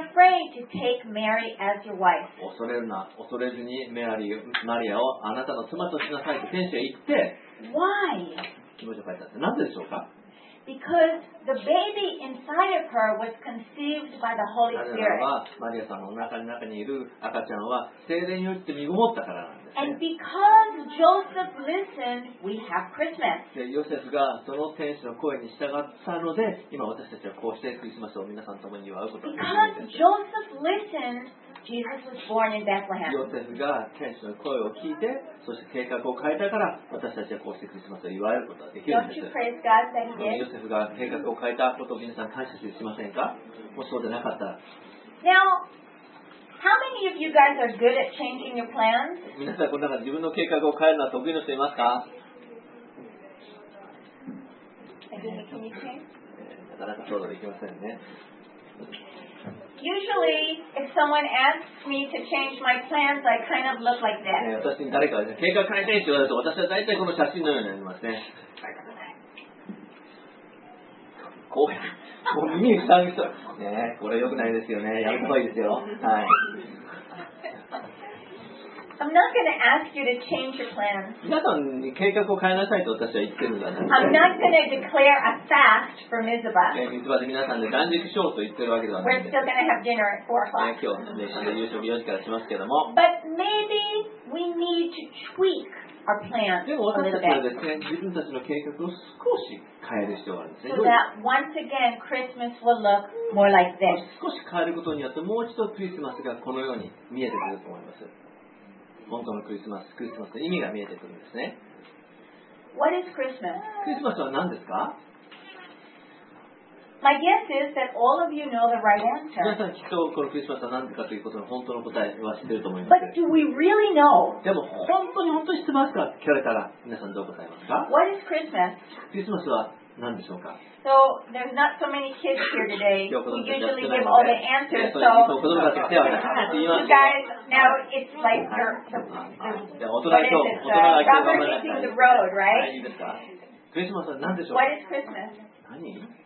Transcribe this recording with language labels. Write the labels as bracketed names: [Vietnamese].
[Japanese] ってきて、 [English] And the angel said, Don't be afraid to take Mary as your wife. [Japanese] 恐れるな、恐れずにメアリー、マリアをあなたの妻としなさいと天使が言って、 [English] Why? [Japanese] なぜでしょうか。 [English] Because the baby inside of her was conceived by the Holy Spirit. [Japanese] なぜならば、マリアさんのお腹の中にいる赤ちゃんは聖霊によって身ごもったからなんですね。 [English] And because Joseph listened, we have Christmas. [Japanese] で、ヨセフがその天使の声に従ったので、今私たちはこうしてクリスマスを皆さんともに祝うことができる。 [English] Because Joseph listened. Jesus was born in Bethlehem. [Japanese] ヨセフが天使の声を聞いて、そして計画を変えたから、私たちはこうしてクリスマスを祝えることができるんです。ヨセフが計画を変えたことを皆さん感謝しませんか？もしそうでなかったら。 [English] Now, how many of you guys are good at changing your plans? [Japanese] 皆さんこの中で自分の計画を変えるのは得意の人いますか？なかなかそうではできませんね。 [English] Usually, if someone asks me to change my plans, I kind of look like this. [Japanese] 私に誰かが計画変えてって言われると、私は大体この写真のようになりますね。こう、耳塞ぐ人。ね、これ良くないですよね。やばいですよ。はい。 [English] I'm not going to ask you to change your plans. [Japanese] 皆さんに計画を変えなさいと私は言ってるんだ。 [English] I'm not going to declare a fast for Mizpah. [Japanese] Mizpah で皆さんで断食しようと言ってるわけではない。 [English] We're still going to have dinner at 4 o'clock. [Japanese] 今日ね、昼夕食4時からしますけども。 [English] But maybe we need to tweak our plans. [Japanese] でも私たちはですね、自分たちの計画を少し変える必要があるんですね。 [English] So that once again Christmas will look more like this. [Japanese] 少し変えることによってもう一度クリスマスがこのように見えてくると思います。本当のクリスマス、クリスマスの意味が見えてくるんですね。 [English] What is Christmas? [Japanese] クリスマスは何ですか？ [English] My guess is that all of you know the right answer. [Japanese] 皆さんきっとこのクリスマスは何ですかということの本当の答えは知っていると思います。 [English] But do we really know? [Japanese] でも本当に本当に知ってますか？聞かれたら皆さんどう答えますか？ [English] What is Christmas? [Japanese] クリスマスは何でしょうか？ [English] So there's not so many kids here today. We usually give all the answers. So you guys, now it's like Robert hitting the road, right? Christmas [Japanese] は何でしょう？ [English] What is Christmas? [Japanese] 何？